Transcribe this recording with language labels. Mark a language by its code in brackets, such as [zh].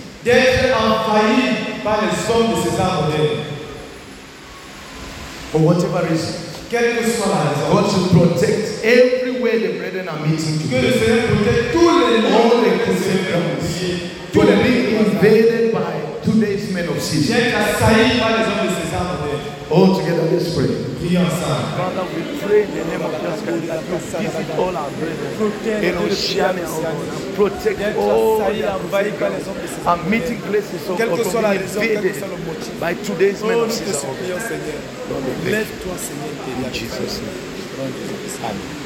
[fr] D'être envahi par les hommes de César moderne. [en] For whatever reason, [fr] quelle que soit la raison, [en] God should protect everywhere the brethren are meeting. [fr] Que le Seigneur protège tous les hommes de César moderne. [en] For the being invaded by today's men of Caesar. [fr] D'être assailli par les hommes de César moderne. [en] All together, let's pray. Father, we pray in the name of Jesus Christ that you visit all our brethren in Oceania, O Lord, and protect all their places and meeting places of God from being invaded by today's men of Caesar. Let us pray in Jesus' name.